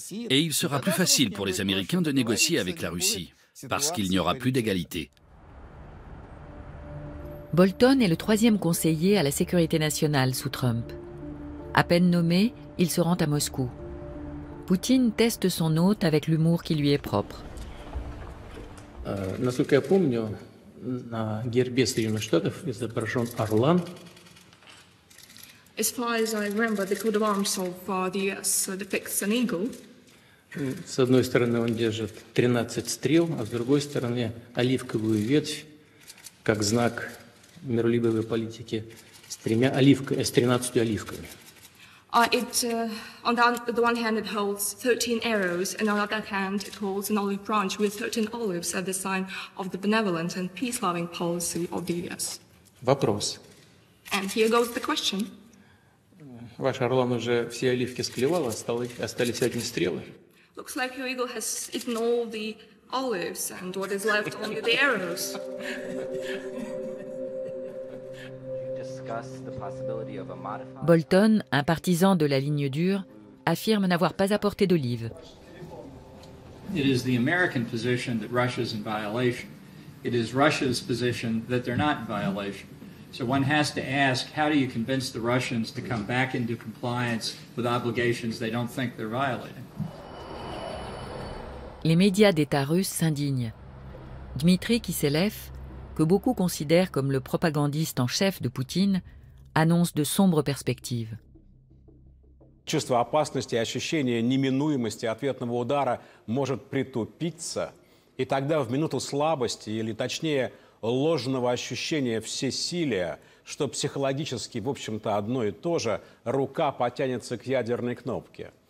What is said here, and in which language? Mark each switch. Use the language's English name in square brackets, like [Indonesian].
[French] Et il sera plus facile pour les Américains de négocier avec la Russie, parce qu'il n'y aura plus d'égalité. Bolton est le troisième conseiller à la sécurité nationale sous Trump. À peine nommé, il se rend à Moscou. Poutine teste son hôte avec l'humour qui lui est propre. [Russian] Насколько я помню, на гербе Соединенных Штатов изображен орлан. [English] As far as I remember, the coat of arms of the US depicts an eagle. [Russian] С одной стороны он держит 13 стрел, а с другой стороны оливковую ветвь, как знак миролюбивой политики с тремя оливками, с 13 оливками. [English] On the one hand, it holds 13 arrows, and on the other hand, it holds an olive branch with 13 olives as the sign of the benevolent and peace-loving policy of the US. [Russian] Вопрос. [English] And here goes the question. [Russian] Ваш орлан уже все оливки склевал, остались одни стрелы. [English] Looks like your eagle has eaten all the olives, and what is left only the arrows. [French] Bolton, un partisan de la ligne dure, affirme n'avoir pas apporté d'olive. [English] It is the American position that Russia is in violation. It is Russia's position that they're not in violation. So one has to ask, how do you convince the Russians to come back into compliance with obligations they don't think they're violating? [French] Les médias d'État russes s'indignent. Dmitri Kiselev, que beaucoup considèrent comme le propagandiste en chef de Poutine, annonce de sombres perspectives. [Russian] Чувство опасности и ощущение неминуемости ответного удара может притупиться, и тогда в минуту слабости или, точнее, ложного ощущения всесилия, что психологически, в общем-то, одно и то же, рука потянется к ядерной кнопке.